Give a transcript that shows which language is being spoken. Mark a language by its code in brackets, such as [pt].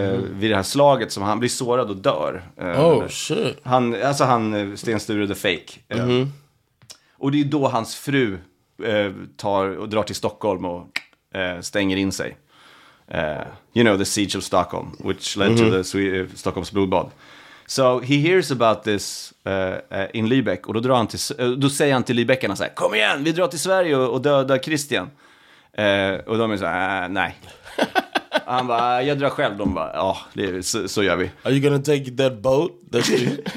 [sv] Vid det här slaget som han blir sårad och dör. [en] Shit. [sv] Han, Sten Sture [en] the fake. Mm-hmm. [sv] Och det är då hans fru tar och drar till Stockholm och stänger in sig. [en] You know, the siege of Stockholm, which led mm-hmm. to the Stockholms blodbad. So he hears about this in Lübeck, [sv] och då säger han till lübeckarna så här, kom igen, vi drar till Sverige och dödar Christian. Och de är så här, nej. Han bara, jag drar själv. De bara, ja, så gör vi. [en] Are you gonna take that boat? That's you?